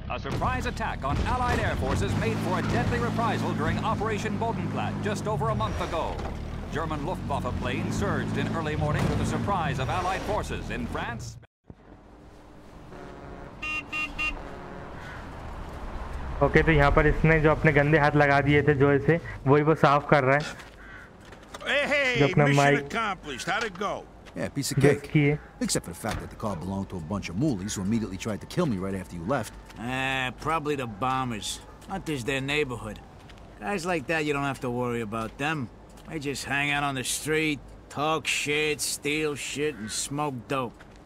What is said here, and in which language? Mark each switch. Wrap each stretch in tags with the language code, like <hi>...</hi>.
<en>A surprise attack on Allied air forces made for a deadly reprisal during Operation Bodenplatt just over a month ago. German Luftwaffe planes surged in early morning to the surprise of Allied forces in France.</en> <hi>Okay, तो यहाँ पर इसने जो अपने गंदे हाथ लगा दिए थे जोए से, वही वो साफ कर रहा है.</hi> <en>Hey, mission accomplished. How'd it go? Yeah, piece of cake. Except for the fact that the car belonged to a bunch of moolies who immediately tried to kill me right after you left. Probably the bombers. Hunt is their neighborhood. Guys like that, you don't have to worry about them. They just hang out on the street, talk shit, steal shit, and smoke dope.</en>